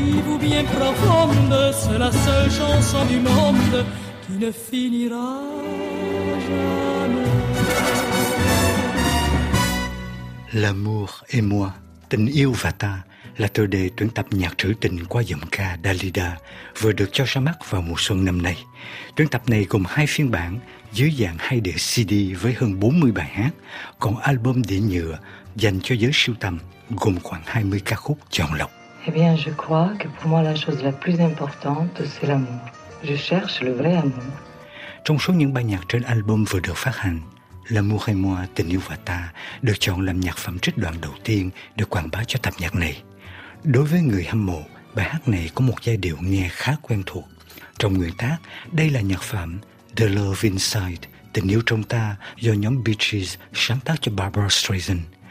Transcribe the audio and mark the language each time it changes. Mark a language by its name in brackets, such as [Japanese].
[French] Ou bien profonde, c'est la seule chanson du monde qui ne finira jamais. [Vietnamese] L'amour et moi, tình yêu và ta là tựa đề tuyển tập nhạc trữ tình qua giọng ca Dalida vừa được cho ra mắt vào mùa xuân năm nay. Tuyển tập này gồm hai phiên bản dưới dạng hai đĩa CD với hơn 40 bài hát, còn album đĩa nhựa dành cho giới sưu tầm gồm khoảng 20 ca khúc chọn lọc. [French] Eh bien, je crois que pour moi la chose la plus importante, c'est l'amour. Je cherche le vrai amour. [Vietnamese] Trong số những bài nhạc trên album vừa được phát hành, L'amour et moi, Tình yêu và ta được chọn làm nhạc phẩm trích đoạn đầu tiên để quảng bá cho tập nhạc này. Đối với người hâm mộ, bài hát này có một giai điệu nghe khá quen thuộc. Trong nguyên tác, đây là nhạc phẩm The Love Inside, Tình yêu trong ta do nhóm Bee Gees sáng tác cho Barbara Streisand.